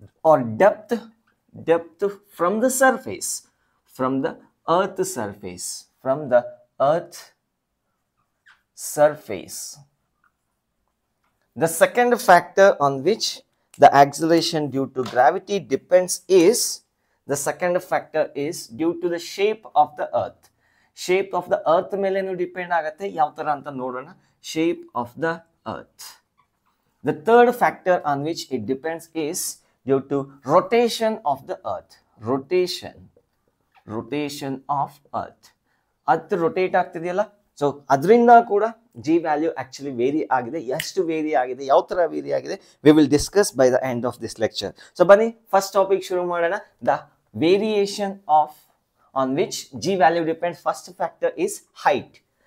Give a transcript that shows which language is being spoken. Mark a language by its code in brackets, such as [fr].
[en] Or depth from the surface, from the earth surface, from the earth surface. The second factor on which the acceleration due to gravity depends is, the second factor is due to the shape of the earth. Shape of the earth [kn] mele nu depend agutte yav tara anta nodona, [en] shape of the earth. The third factor on which it depends is due to rotation of the earth, rotation rotation of earth. [kn] Earth rotate ಆಗ್ತಿದೆಯಲ್ಲ, so ಅದರಿಂದ ಕೂಡ G value actually very ಆಗಿದೆ. ಎಷ್ಟು very ಆಗಿದೆ, ಯಾವ ಥರ very ಆಗಿದೆ, [en] We will discuss by the end of this lecture. [kn] So ಬನ್ನಿ first topic ಶುರು ಮಾಡೋಣ. [en] The variation of on which G value depend first factor is height.